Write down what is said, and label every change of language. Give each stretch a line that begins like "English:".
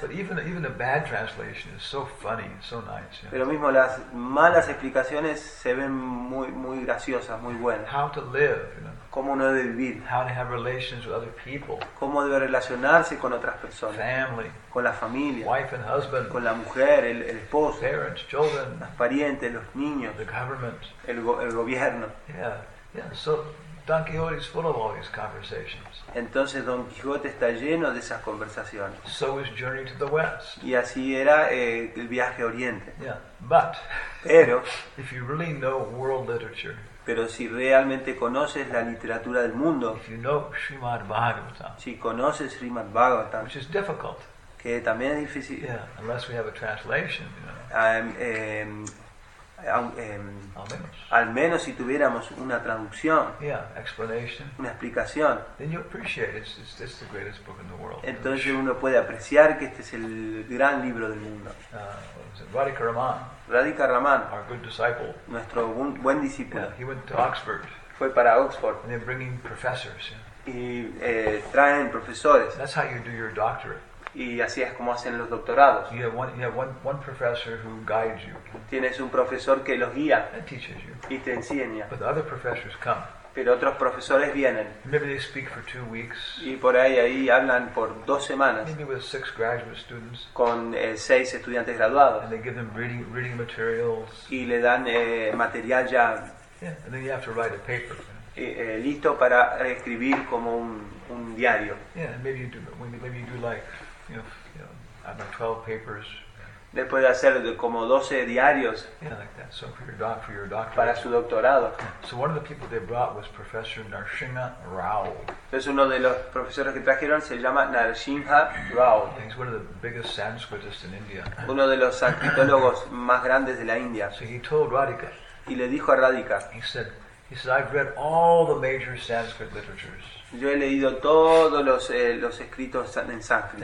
English: But even a bad translation is so funny, so nice. Yeah.
Spanish: Pero mismo las malas explicaciones se ven muy muy graciosas, muy buenas.
English: How to live, you know.
Spanish: Cómo uno debe vivir.
English: How to have relations with other people.
Spanish: Cómo debe relacionarse con otras personas.
English: Family.
Spanish: Con la familia.
English: Wife and husband.
Spanish: Con la mujer, el esposo.
English: Parents, children.
Spanish: Los parientes, los niños.
English: The government.
Spanish: El gobierno.
English: Yeah, yeah. So Don Quixote is full of all these conversations.
Spanish: Entonces Don Quijote está lleno de esas conversaciones.
English: So is Journey to the West.
Spanish: Y así era el viaje a Oriente.
English: Yeah, but.
Spanish: Pero.
English: If you really know world literature.
Spanish: Pero si realmente conoces la literatura del mundo,
English: you know,
Spanish: si conoces Srimad Bhagavatam,
English: which is difficult,
Spanish: que también es difícil.
English: Yeah, unless we have a translation, you know.
Spanish: Al menos si tuviéramos una traducción,
English: yeah, explanation,
Spanish: una explicación,
English: then you appreciate it's the greatest book in the world.
Spanish: Entonces uno puede apreciar que este es el gran libro del mundo.
English: Radhika Raman, our good disciple,
Spanish: nuestro buen discípulo,
English: yeah, he went to Oxford,
Spanish: fue para Oxford,
English: and they're bringing professors, yeah,
Spanish: y traen profesores.
English: That's how you do your doctorate.
Spanish: Y así es como hacen los doctorados.
English: You have one professor who guides you.
Spanish: Tienes un profesor que los guía
English: and teaches you.
Spanish: Y te enseña.
English: But the other professors come.
Spanish: Pero otros profesores vienen.
English: Maybe they speak for 2 weeks.
Spanish: Y por ahí hablan por 2 semanas.
English: Maybe with 6 graduate students.
Spanish: Con 6 estudiantes graduados.
English: And they give them reading materials.
Spanish: Y le dan material ya.
English: Yeah, and then you have to write a paper.
Spanish: Listo para escribir como un diario.
English: Yeah, and maybe you do like, you know, I have 12 papers.
Spanish: Después de hacer como 12 diarios.
English: Yeah, like that. So for your doctorate.
Spanish: Para su doctorado.
English: So one of the people they brought was Professor Narasimha Rao.
Spanish: Entonces uno de los profesores que trajeron se llama Narasimha Rao.
English: Yeah, he's one of the biggest Sanskritists in India.
Spanish: Uno de los sanscritólogos más grandes de la India.
English: So he told Radhika.
Spanish: Y le dijo a Radhika.
English: He said, I've read all the major Sanskrit literatures.
Spanish: Yo he leído todos los escritos en sánscrito.